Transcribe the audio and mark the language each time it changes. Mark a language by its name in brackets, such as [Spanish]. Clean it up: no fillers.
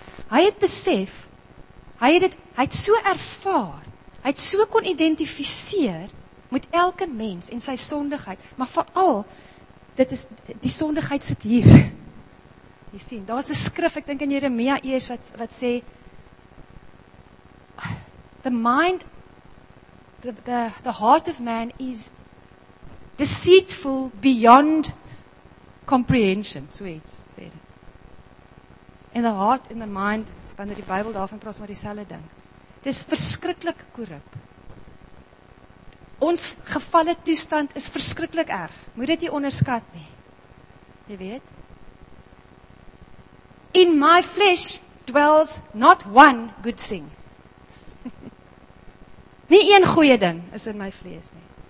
[Afrikaans] Hy het besef, hy het so ervaar, hy het so kon identifiseer, met elke mens en sy sondigheid, maar vooral, dit is, die sondigheid sit hier, jy sien, daar is 'n skrif, ek dink in Jeremia eers, wat sê, [English] the mind, the heart of man is deceitful beyond comprehension, [Afrikaans] so iets, sê dit. En [English] the heart and the mind, [Afrikaans] wanneer die Bybel daarvan praat, maar dieselfde ding. Dit is verskriklik korrup. Ons gevalle toestand is verskriklik erg. Moet dit nie onderskat nie. Jy weet, [English] in my flesh dwells not one good thing. [Afrikaans] Nie een goeie ding is in my vlees nie.